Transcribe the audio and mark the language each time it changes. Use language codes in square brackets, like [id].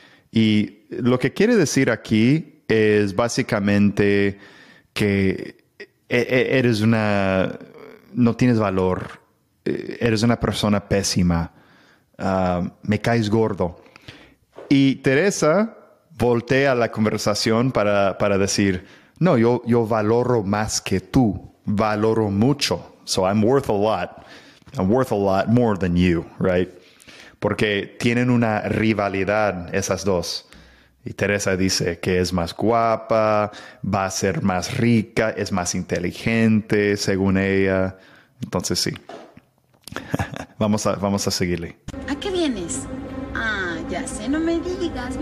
[es] Y lo que quiere decir aquí es básicamente que eres una, no tienes valor, eres una persona pésima, me caes gordo. Y Teresa voltea la conversación para decir, no, yo valoro más que tú, valoro mucho. [en] So I'm worth a lot more than you, right? [es] Porque tienen una rivalidad esas dos. Y Teresa dice que es más guapa, va a ser más rica, es más inteligente, según ella. Entonces, sí. vamos a seguirle. ¿A qué vienes? Ah, ya sé, no me digas.